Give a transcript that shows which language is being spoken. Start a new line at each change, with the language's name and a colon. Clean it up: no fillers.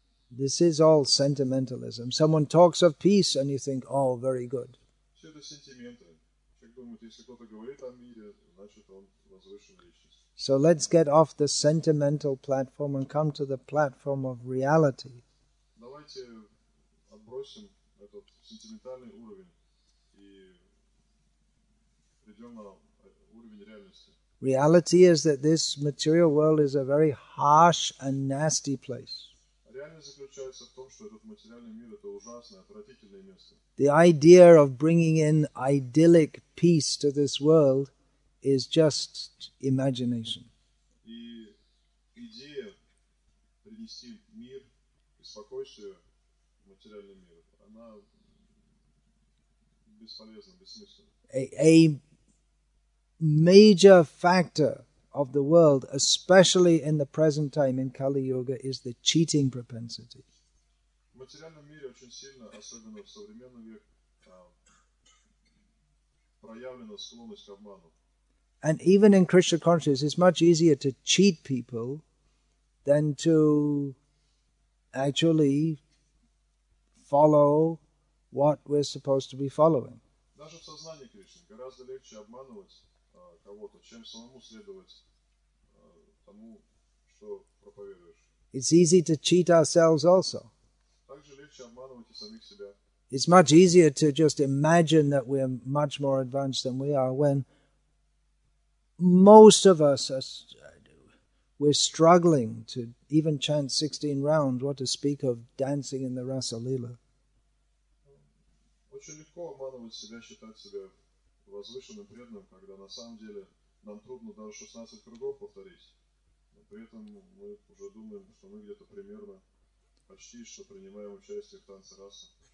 English: This is all sentimentalism. Someone talks of peace and you think, oh, very good.
Russian: это сентименты. Человек думает, если кто-то говорит о мире, значит, он возвышенная личность.
English: So let's get off the sentimental platform and come to the platform of reality.
Russian: Давайте отбросим этот сентиментальный уровень и придем на уровень реальности.
English: Reality is that this material world is a very harsh and nasty place.
Russian: Реальность заключается в том, что этот материальный мир — это ужасное, отвратительное место.
English: The idea of bringing in idyllic peace to this world is just imagination.
Russian: И идея принести мир и спокойствие в материальный мир, она бесполезна, бессмысленна.
English: Major factor of the world, especially in the present time in Kali Yuga, is the cheating propensity.
Russian: В материальном мире очень сильно, особенно в современном веке, проявлена склонность к обману.
English: And even in Krishna consciousness, it's much easier to cheat people than to actually follow what we're supposed to be following.
Russian: Даже в сознании Кришны гораздо легче обманывать кого-то, чем самому следовать тому, что проповедуешь.
English: It's easy to cheat ourselves also.
Russian: Также легче обманывать и самих себя.
English: It's much easier to just imagine that we're much more advanced than we are, when most of us are, we're struggling to even chant 16 rounds, what to speak of dancing in the Rasa Lila.
Russian: Очень легко обманывать себя, считать себя возвышенным, преданным, когда на самом деле нам трудно даже 16 кругов повторить. Но при этом мы уже думаем, что мы где-то примерно почти что принимаем участие в танце раса.